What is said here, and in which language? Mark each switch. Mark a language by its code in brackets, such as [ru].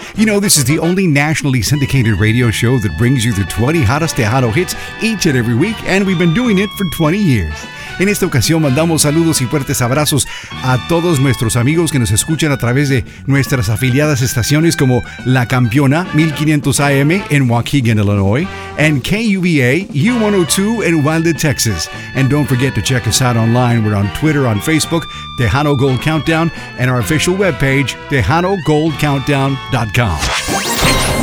[en] You know, this is the only nationally syndicated radio show that brings you the 20 hottest Tejano hits each and every week, and we've been doing it for 20 years. [es] En esta ocasión mandamos saludos y fuertes abrazos a todos nuestros amigos que nos escuchan a través de nuestras afiliadas estaciones como La Campeona 1500 AM en Waukegan, Illinois, and KUVA U102 in Uvalde, Texas. [en] And don't forget to check us out online. We're on Twitter, on Facebook, Tejano Gold Countdown, and our official webpage, TejanoGoldCountdown.com.